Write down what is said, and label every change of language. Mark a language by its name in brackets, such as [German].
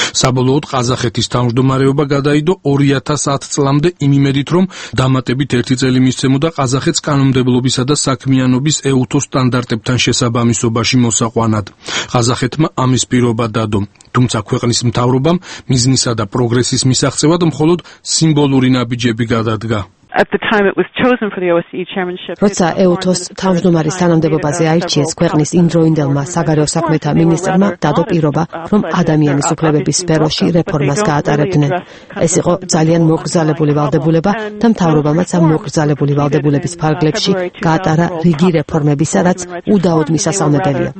[Georgian] საბოლოოდ ყაზახეთის თავმჯდომარეობა გადაიდო 2010 წლამდე იმ იმედით, რომ დამატებით ერთი წელი მისცემოდა ყაზახეთს კანონმდებლობისა და საქმიანობის ეუთოს სტანდარტებთან შესაბამისობაში მოსაყვანად. ყაზახეთმა ამის პირობა დადო, თუმცა ქვეყნის მთავრობამ მიზნისა და პროგრესის მისაღწევად მხოლოდ სიმბოლური ნაბიჯები გადადგა. [English] At the time it was chosen for the OSCE chairmanship. [Georgian] როცა ეუთოს თავმჯდომარის თანამდებობაზე აირჩიეს ქვეყნის იმდროინდელმა საგარეო საქმეთა მინისტრმა, დადო პირობა, რომ ადამიანის უფლებების სფეროში რეფორმას გაატარებდნენ. ეს იყო ძალიან მოგრძალებული ვალდებულება და მთავრობამაც ამ მოგრძალებული ვალდებულების ფარგლებში გაატარა რიგი რეფორმებისა, რაც უდაოდ მისასალმებელია.